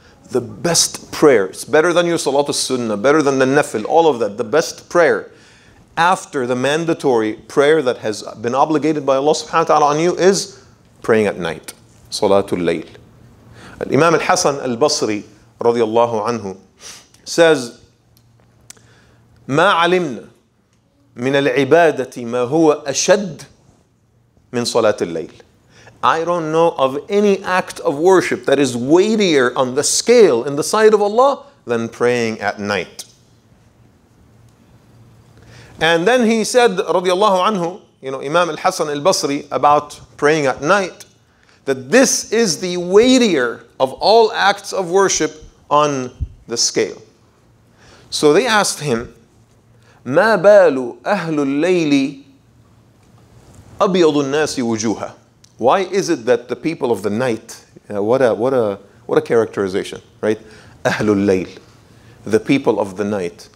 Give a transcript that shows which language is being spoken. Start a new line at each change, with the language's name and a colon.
English: The best prayer, it's better than your salatu sunnah, better than the nafil, all of that. The best prayer after the mandatory prayer that has been obligated by Allah subhanahu wa ta'ala on you is praying at night,
Arabic: صَلَاةُ اللَّيْلِ.
English: Imam al-Hasan al-Basri
Arabic: رضي الله عنه
English: says
Arabic: ما علمنا من العبادة ما هو أشد من صلاة الليل.
English: I don't know of any act of worship that is weightier on the scale in the sight of Allah than praying at night. And then he said,
Arabic: رضي الله عنه,
English: you know, Imam al-Hasan al-Basri, about praying at night, that this is the weightier of all acts of worship on the scale. So they asked him,
Arabic: ما بال أهل الليل أبيض الناس وجوها.
English: Why is it that the people of the night, what a characterization, right?
Arabic: أهل الليل,
English: the people of the night.